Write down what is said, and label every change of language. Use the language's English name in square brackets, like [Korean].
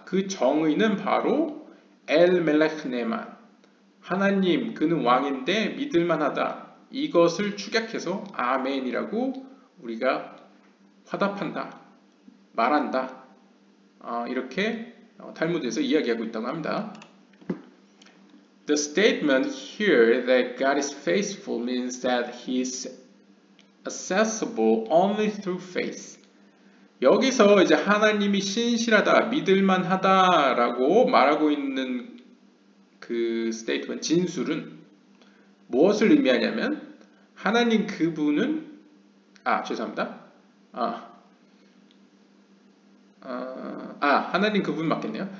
[Korean] 그 정의는 바로 엘 멜렉 네만. 하나님, 그는 왕인데 믿을 만하다. 이것을 축약해서 아멘이라고 우리가 화답한다. 말한다. 이렇게 탈무드에서 이야기하고 있다고 합니다. [English] The statement here that God is faithful means that He is accessible only through faith. [Korean] 여기서 이제 하나님이 신실하다, 믿을 만하다라고 말하고 있는 그 statement, 진술은 무엇을 의미하냐면 하나님 그분은 아 죄송합니다 아 아, 하나님 그분 맞겠네요.